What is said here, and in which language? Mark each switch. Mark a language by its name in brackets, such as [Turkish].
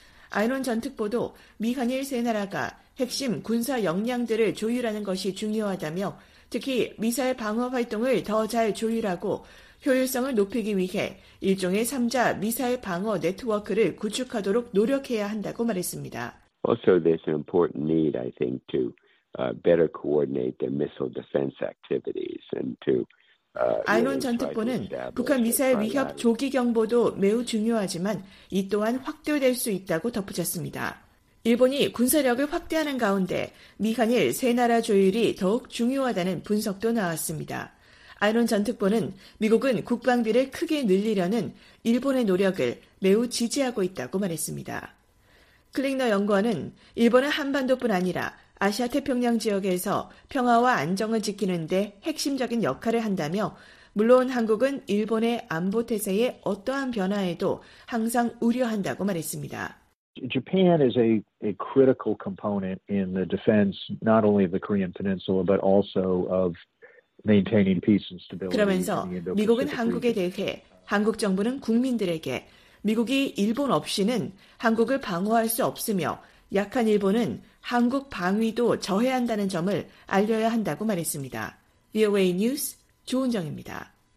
[Korean] 아이론 전특보도 미한일 세 나라가 핵심 군사 역량들을 조율하는 것이 중요하다며 특히 미사일 방어 활동을 더 잘 조율하고 효율성을 높이기 위해 일종의 3자 미사일 방어 네트워크를 구축하도록 노력해야 한다고 말했습니다. [English] Also, there's an important need, I think, to better coordinate their missile defense activities and to [Korean] 아이론 전 특보는 북한 미사일 위협 조기 경보도 매우 중요하지만 이 또한 확대될 수 있다고 덧붙였습니다. 일본이 군사력을 확대하는 가운데 미한일 세 나라 조율이 더욱 중요하다는 분석도 나왔습니다. 아이론 전 특보는 미국은 국방비를 크게 늘리려는 일본의 노력을 매우 지지하고 있다고 말했습니다. 클릭너 연구원은 일본은 한반도뿐 아니라 아시아 태평양 지역에서 평화와 안정을 지키는 데 핵심적인 역할을 한다며 물론 한국은 일본의 안보 태세의 어떠한 변화에도 항상 우려한다고 말했습니다. [English] Japan is a critical component in the defense not only of the Korean Peninsula but also of maintaining peace and stability. [Korean] 그러면서 미국은 한국에 대해 한국 정부는 국민들에게 미국이 일본 없이는 한국을 방어할 수 없으며 약한 일본은 한국 방위도 저해한다는 점을 알려야 한다고 말했습니다. VOA 뉴스 조은정입니다.